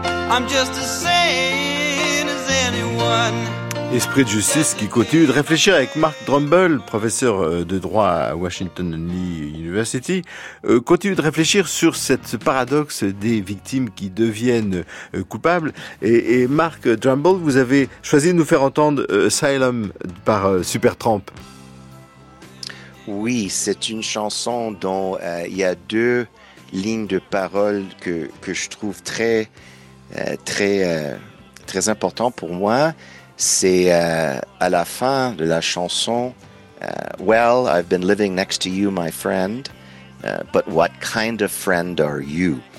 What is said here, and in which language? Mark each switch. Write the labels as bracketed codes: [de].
[en] I'm just as sane as anyone. [fr] Esprit de justice qui continue de réfléchir avec Mark Drumbull, professeur de droit à Washington Lee University, continue de réfléchir sur cette paradoxe des victimes qui deviennent coupables. Et Mark Drumbull, vous avez choisi de nous faire entendre Asylum par Supertramp. Oui, c'est une chanson dont il y a deux lignes de paroles que je trouve très très très important pour moi. C'est à la fin de la chanson, [en] well, I've been living next to you, my friend, but what kind of friend are you?